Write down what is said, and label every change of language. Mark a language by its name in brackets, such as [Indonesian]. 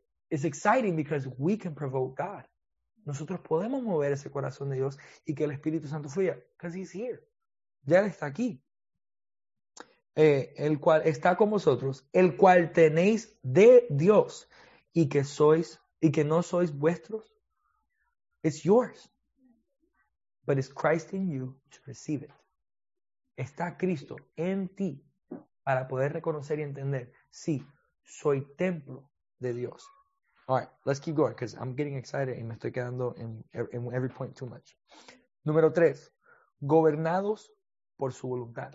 [English] It's exciting because we can provoke God. [Spanish] Nosotros podemos mover ese corazón de Dios y que el Espíritu Santo fluya. [English] Because He's here. [Spanish] Ya Él está aquí. El cual está con vosotros, el cual tenéis de Dios y que sois y que no sois vuestros. [English] It's yours. But it's Christ in you to receive it. [Spanish] Está Cristo en ti para poder reconocer y entender. Sí, soy templo de Dios. [English] All right, let's keep going because I'm getting excited [Spanish] y me estoy quedando en [English] every point too much. [Spanish] Número tres, gobernados por su voluntad.